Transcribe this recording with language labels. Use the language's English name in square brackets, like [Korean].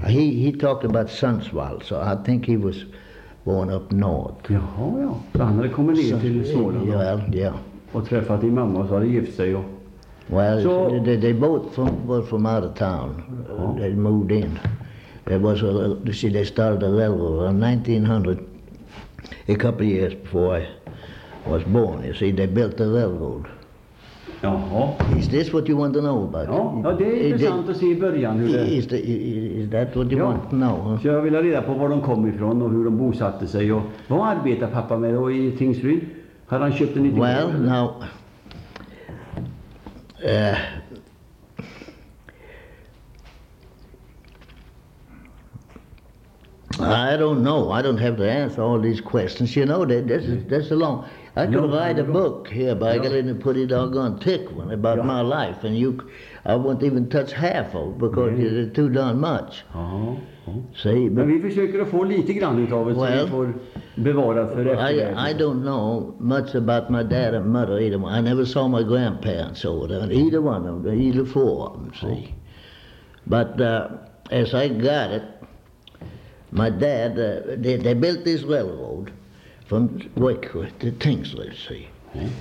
[English] He talked about Sundsvall, so I think he was born up north. [Swedish] Jaha, ja. Så han hade kommit ner till Småland. Ja, well, ja. Yeah. Och träffat din mamma och så hade gift sig. Och... [English] Well, so... they both were from out of town. Ja. They moved in. They started a level of 1900, a couple of years before I was born. You see, they built the railroad. [Swedish] Jaha. [English] Is this what you want to know about? [Swedish] Ja, det är intressant att se i början hur det... [English] Is that what you want to know? [Swedish] Så jag vill reda på var de kom ifrån och hur de bosatte sig. Och vad arbetar pappa med då i Tingsryd? Har han köpt en idé? [English] Well, now... I don't know. I don't have to answer all these questions. You know, that's a long... I could write a book here, but I got in a pretty doggone thick one about my life. And I won't even touch half of it because it's too darn much. See, [Swedish] but vi försöker att få lite grann utav det, [English] well, [Swedish] så vi får bevara för eftervärlden. [English] I don't know much about my dad and mother, either one. I never saw my grandparents over there, either one of them, either four of them, see. But as I got it, my dad, they built this railroad from Wickwood to Tingsley, see. Okay.